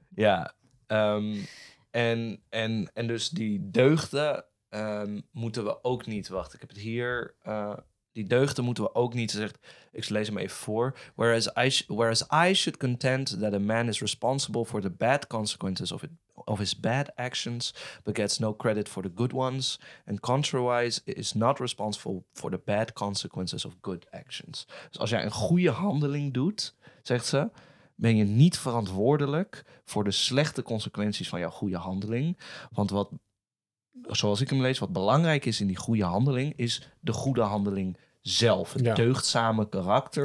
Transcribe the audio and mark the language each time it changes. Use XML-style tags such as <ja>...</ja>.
<nl>Ja, en dus die deugden moeten we ook niet, wacht, ik heb het hier. Die deugden moeten we ook niet, zegt, ik lees hem even voor.</nl> <en>Whereas I should contend that a man is responsible for the bad consequences of his bad actions, but gets no credit for the good ones, and contrariwise is not responsible for the bad consequences of good actions.</en> <nl>Dus als jij een goede handeling doet, zegt ze, ben je niet verantwoordelijk voor de slechte consequenties van jouw goede handeling, want wat, zoals ik hem lees, wat belangrijk is in die goede handeling, is de goede handeling zelf. Het deugdzame karakter.</nl>